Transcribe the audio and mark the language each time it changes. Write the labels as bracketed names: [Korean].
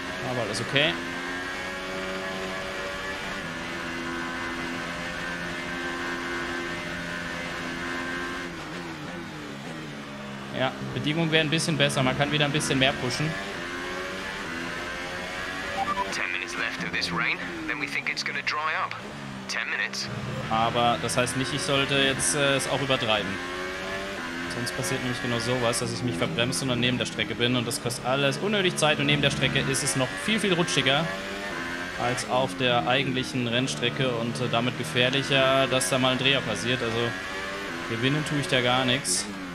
[German] Aber alles okay. Ja, Bedingungen werden ein bisschen besser. Man kann wieder ein bisschen mehr pushen. [English] 10 minutes left of this rain, then we think it's gonna dry up. 10 minutes. [German] Aber das heißt nicht, ich sollte jetzt es auch übertreiben. Sonst passiert nämlich genau sowas, dass ich mich verbremse und dann neben der Strecke bin. Und das kostet alles unnötig Zeit. Und neben der Strecke ist es noch viel, viel rutschiger als auf der eigentlichen Rennstrecke. Und damit gefährlicher, dass da mal ein Dreher passiert. Also gewinnen tue ich da gar nichts.